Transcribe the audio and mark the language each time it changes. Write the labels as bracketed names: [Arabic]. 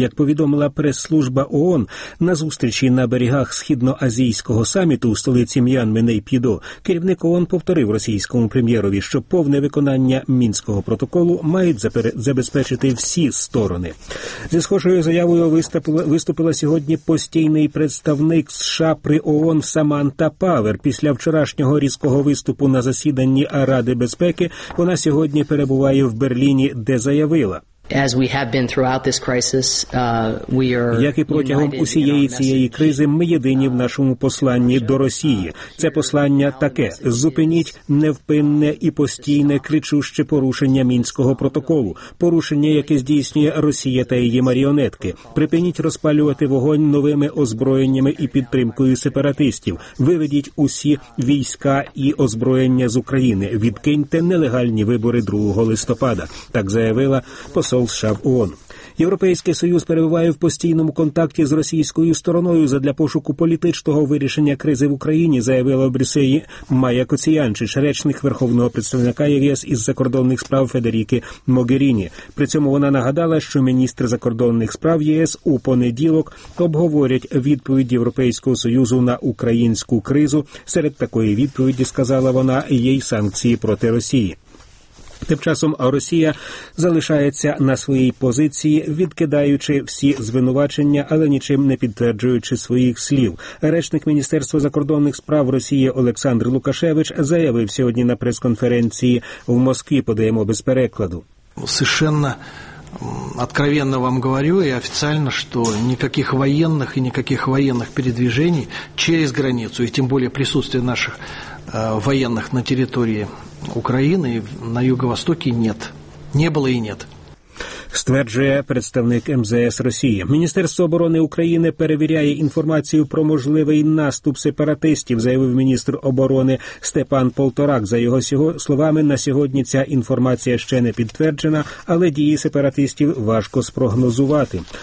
[Ukrainian] Як повідомила прес-служба ООН, на зустрічі на берегах Східно-Азійського саміту у столиці М'янми Нейпідо керівник ООН повторив російському прем'єрові, що повне виконання Мінського протоколу мають забезпечити всі сторони. Зі схожою заявою виступила сьогодні постійний представник США при ООН Саманта Павер. Після вчорашнього різкого виступу на засіданні Ради безпеки вона сьогодні перебуває в Берліні, де заявила: [English] As we have been throughout this crisis, we are [Ukrainian] як і протягом усієї цієї кризи, ми єдині в нашому посланні до Росії. Це послання таке: зупиніть невпинне і постійне кричуще порушення Мінського протоколу, порушення, яке здійснює Росія та її маріонетки. Припиніть розпалювати вогонь новими озброєннями і підтримкою сепаратистів. Виведіть усі війська і озброєння з України. Відкиньте нелегальні вибори 2 листопада. Так заявила посол США в ООН. Європейський Союз перебуває в постійному контакті з російською стороною задля пошуку політичного вирішення кризи в Україні, заявила в Брюсселі Майя Коціянчич, речник Верховного представника ЄС із закордонних справ Федеріки Могеріні. При цьому вона нагадала, що міністри закордонних справ ЄС у понеділок обговорять відповідь Європейського Союзу на українську кризу. Серед такої відповіді, сказала вона, є й санкції проти Росії. Тим часом Росія залишається на своїй позиції, відкидаючи всі звинувачення, але нічим не підтверджуючи своїх слів. Речник Міністерства закордонних справ Росії Олександр Лукашевич заявив сьогодні на прес-конференції в Москві, подаємо без перекладу. [Russian] Совершенно откровенно вам говорю и официально, что никаких военных и никаких военных передвижений через границу, и тем более присутствия наших военных на территории України на юго-востокі нет. Не було і нет. [Ukrainian] Стверджує представник МЗС Росії. Міністерство оборони України перевіряє інформацію про можливий наступ сепаратистів, заявив міністр оборони Степан Полторак. За його словами, на сьогодні ця інформація ще не підтверджена, але дії сепаратистів важко спрогнозувати.